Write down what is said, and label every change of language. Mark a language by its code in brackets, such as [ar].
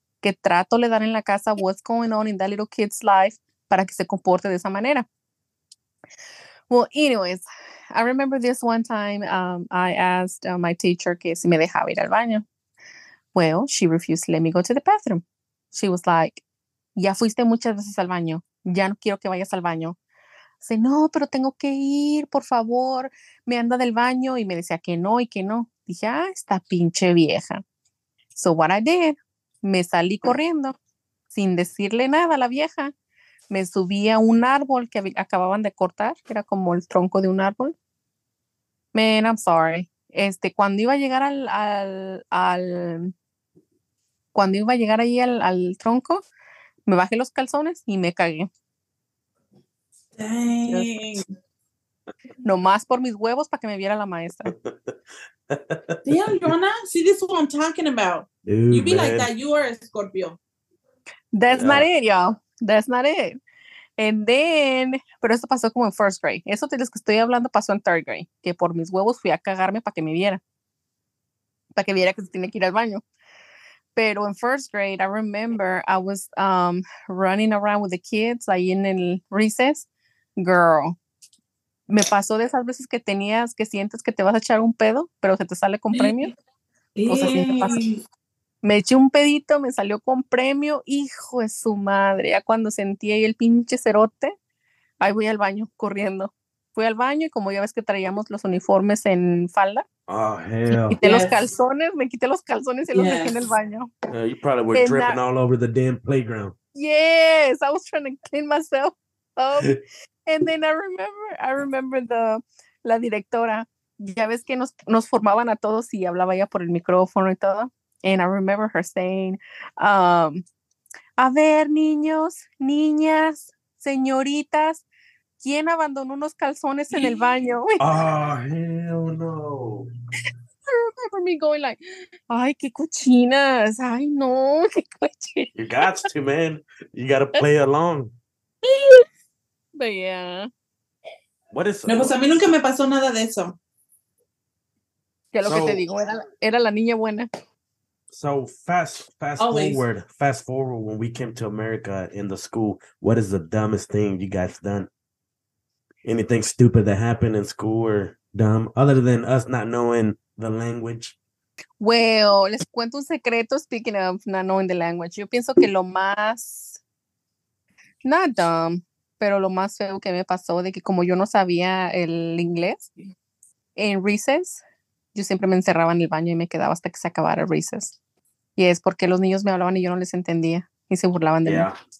[es] Que trato le dan en la casa, [en] what's going on in that little kid's life, [es] para que se comporte de esa manera. [en] Well, anyways, I remember this one time I asked my teacher [es] que si me dejaba ir al baño. [en] Well, she refused to let me go to the bathroom. She was like, [es] ya fuiste muchas veces al baño. Ya no quiero que vayas al baño. [en] I said, [es] no, pero tengo que ir, por favor. Me anda del baño. Y me decía que no y que no. Dije, ah, esta pinche vieja. [en] So what I did, [es] me salí corriendo sin decirle nada a la vieja. Me subí a un árbol que acababan de cortar, que era como el tronco de un árbol. [en] Man, I'm sorry. [es] Cuando iba a llegar al tronco, me bajé los calzones y me cagué. [en] Dang. [es] Nomás por mis huevos para que me viera la maestra. [en] Damn, Joanna, see this is what I'm talking about. Ew, you be man. Like that, you are a Scorpio. That's not it, y'all. And then, [es] pero eso pasó como en [en] first grade. [es] Eso de los que estoy hablando pasó en third grade. Que por mis huevos fui a cagarme para que me viera. Para que viera que se tiene que ir al baño. Pero en [en] first grade, I remember I was running around with the kids [es] ahí en el [en] recess. [es] Girl, me pasó de esas veces que sientes que te vas a echar un pedo, pero se te sale con premio. O sea, siempre pasa. Me eché un pedito, me salió con premio. Hijo de su madre. Ya cuando sentí ahí el pinche cerote, ahí voy al baño corriendo. Fui al baño y como ya ves que traíamos los uniformes en falda. [en] Oh, hell. [es] Me quité los calzones y los dejé en el baño. [en] You probably were and dripping all over the damn playground. Yes, I was trying to clean myself up. And then I remember [es] la directora. Ya ves que nos formaban a todos y hablaba ya por el micrófono y todo. [en] And I remember her saying, [es] a ver, niños, niñas, señoritas, ¿quién abandonó unos calzones en el baño? [en] Oh, hell no. I remember me going like, [es] ay, qué cochinas, ay, no, qué cochinas. [en] You got to, man. You got to play along. But yeah. What is... [es] No, pues a mí nunca me pasó nada de eso. Que lo que te digo, era la niña buena. [en] So fast forward when we came to America in the school, what is the dumbest thing you guys done? Anything stupid that happened in school or dumb other than us not knowing the language? Well, [es] les cuento un secreto, [en] speaking of not knowing the language. [es] Yo pienso que lo más, [en] not dumb, [es] pero lo más feo que me pasó, de que como yo no sabía el inglés, en recess, yo siempre me encerraba en el baño y me quedaba hasta que se acabara recess. Y es porque los niños me hablaban y yo no les entendía y se burlaban de mí.